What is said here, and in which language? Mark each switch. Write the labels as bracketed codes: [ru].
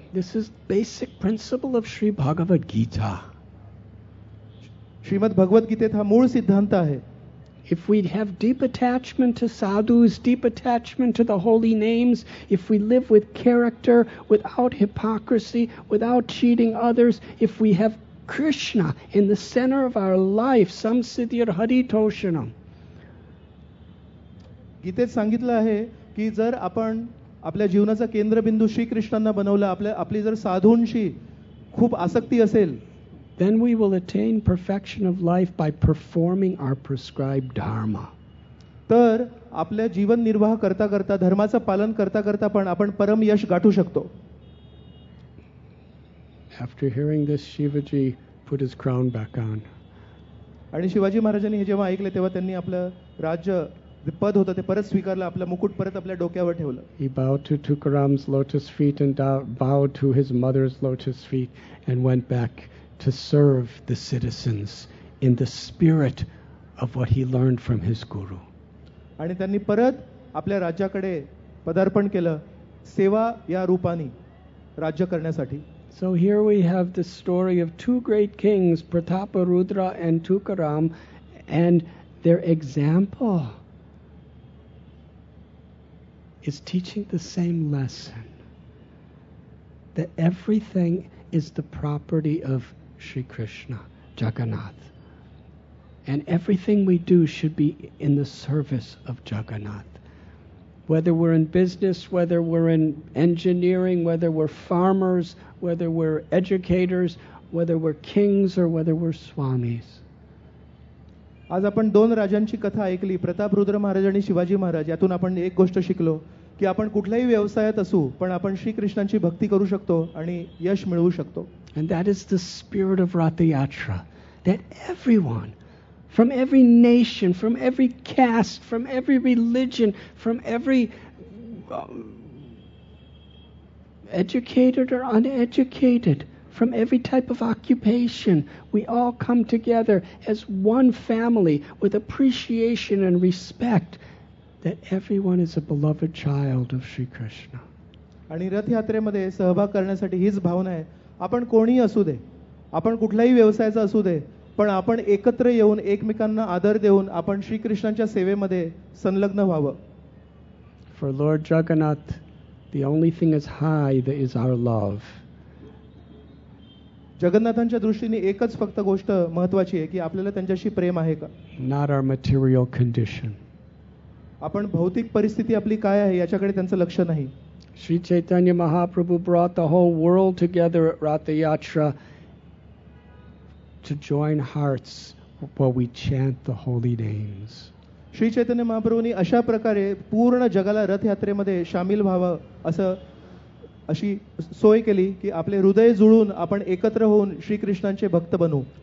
[en] This is basic principle of Sri Bhagavad Gita. [mr] Shrimad भगवत गीतेत हा मूळ सिद्धांत आहे. [en] If we have deep attachment to sadhus, deep attachment to the holy names, if we live with character, without hypocrisy, without cheating others, if we have Krishna in the center of our life, [sa] sam siddhir hari toshanam. [mr] गीतेत सांगितलं आहे की जर आपण आपल्या जीवनाचा केंद्रबिंदू श्री कृष्णांना बनवला, आपली जर साधूंशी खूप आसक्ती असेल, [en] then we will attain perfection of life by performing our prescribed dharma. [mr] तर आपल्या जीवन निर्वाह करता करता, धर्माचं पालन करता करता पण आपण परम यश गाठू शकतो. [en] After hearing this, Shivaji put his crown back on. [mr] आणि शिवाजी महाराजांनी हे जेव्हा ऐकले तेव्हा त्यांनी आपलं राज्य पद होतं ते परत स्वीकारलं, आपलं मुकुट परत आपल्या डोक्यावर ठेवलं. [en] He bowed to Tukaram's lotus feet and bowed to his mother's lotus feet and went back to serve the citizens in the spirit of what he learned from his guru. [mr] आणि त्यांनी परत आपल्या राज्याकडे पदार्पण केलं सेवा या रूपाने राज्य करण्यासाठी. [en] So here we have the story of two great kings, Pratapa Rudra and Tukaram, and their example is teaching the same lesson that everything is the property of Shri Krishna, Jagannath. And everything we do should be in the service of Jagannath. Whether we're in business, whether we're in engineering, whether we're farmers, whether we're educators, whether we're kings or whether we're swamis. [mr] आज आपण दोन राजांची कथा ऐकली, प्रताप रुद्र महाराज आणि शिवाजी महाराज. यातून आपण एक गोष्ट शिकलो की आपण कुठल्याही व्यवसायात असू पण आपण श्री कृष्णांची भक्ती करू शकतो आणि यश मिळवू शकतो. [en] And that is the spirit of Ratayatra, that everyone from every nation, from every caste, from every religion, from every educated or uneducated, from every type of occupation, we all come together as one family with appreciation and respect that everyone is a beloved child of Sri Krishna. [mr] आणि रथयात्रेमध्ये सहभाग करण्यासाठी हीच भावना आहे. आपण कोणीही असू दे, आपण कुठल्याही व्यवसायाचा असू दे, पण आपण एकत्र येऊन एकमेकांना आदर देऊन आपण श्री कृष्णाच्या सेवेमध्ये संलग्न व्हावं. [en] For Lord Jagannath, the only thing is high, that is our love. [mr] जगन्नाथांच्या दृष्टीने एकच फक्त गोष्ट महत्वाची आहे की आपल्याला त्यांच्याशी प्रेम आहे का. [en] Not our material condition. [mr] आपण भौतिक परिस्थिती आपली काय आहे याच्याकडे त्यांचं लक्ष नाही. [en] Shri Chaitanya Mahaprabhu brought the whole world together at Rath Yatra to join hearts while we chant the holy names. [mr] Shri Chaitanya महाप्रभूंनी अशा प्रकारे पूर्ण जगाला रथयात्रेमध्ये सामील व्हावं असं अशी सोय केली की आपले हृदय जुळून आपण एकत्र होऊन श्री कृष्णांचे भक्त बनू.